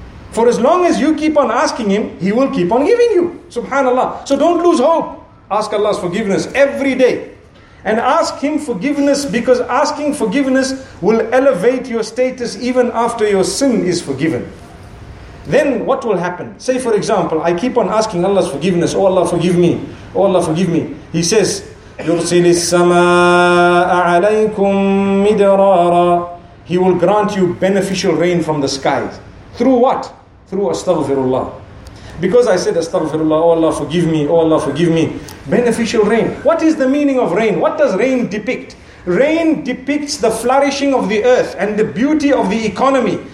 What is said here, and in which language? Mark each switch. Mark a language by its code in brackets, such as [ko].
[en] For as long as you keep on asking Him, He will keep on giving you. Subhanallah. So don't lose hope. Ask Allah's forgiveness every day. And ask Him forgiveness, because asking forgiveness will elevate your status even after your sin is forgiven. Then what will happen? Say for example, I keep on asking Allah's forgiveness. Oh Allah, forgive me. Oh Allah, forgive me. He says, [ar] يُرْسِلِ السَّمَاءَ عَلَيْكُمْ مِدَرَارًا. [en] He will grant you beneficial rain from the skies. Through what? Through astaghfirullah. Because I said astaghfirullah, oh Allah, forgive me. Oh Allah, forgive me. Beneficial rain. What is the meaning of rain? What does rain depict? Rain depicts the flourishing of the earth and the beauty of the economy.